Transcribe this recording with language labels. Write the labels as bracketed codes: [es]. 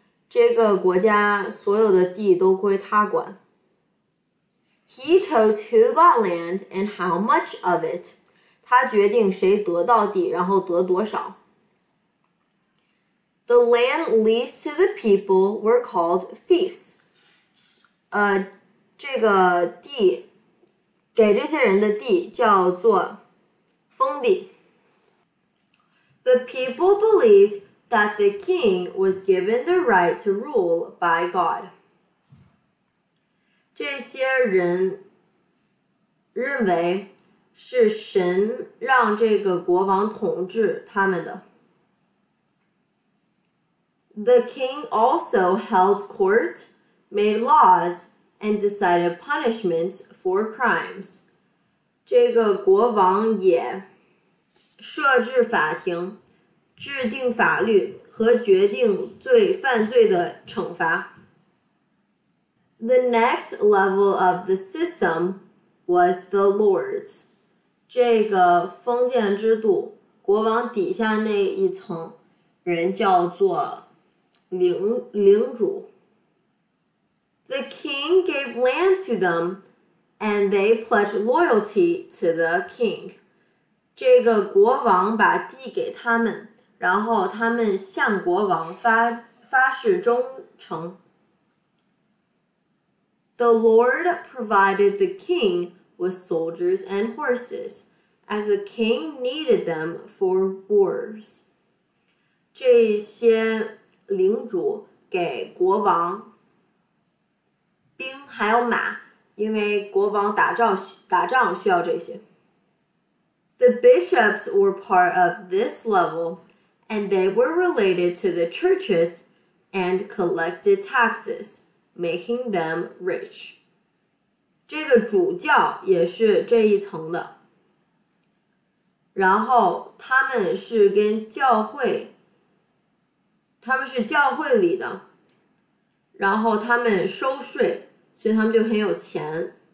[zh] 这个国家所有的地都归他管。 [en] He chose who got land and how much of it. [zh] 他决定谁得到地，然后得多少。 [en] The land leased to the people were called fiefs. [zh] 这个地，给这些人的地叫做封地。 [en] The people believed that the king was given the right to rule by God. [zh] 这些人认为是神让这个国王统治他们的。 [en] The king also held court, made laws, and decided punishments for crimes. [zh] 这个国王也设置法庭，制定法律和决定罪犯罪的惩罚。 [en] The next level of the system was the lords. [zh] 这个封建制度，国王底下那一层人叫做领主。 [en] The king gave land to them, and they pledged loyalty to the king. [zh] 这个国王把地给他们，然后他们向国王发誓忠诚。 [en] The lord provided the king with soldiers and horses. As the king needed them for wars. [zh] 这些领主给国王兵还有马，因为国王打仗需要这些。 [en] The bishops were part of this level, and they were related to the churches and collected taxes, making them rich. [zh] 这个主教也是这一层的。然后他们是跟教会，他们是教会里的，然后他们收税，所以他们就很有钱。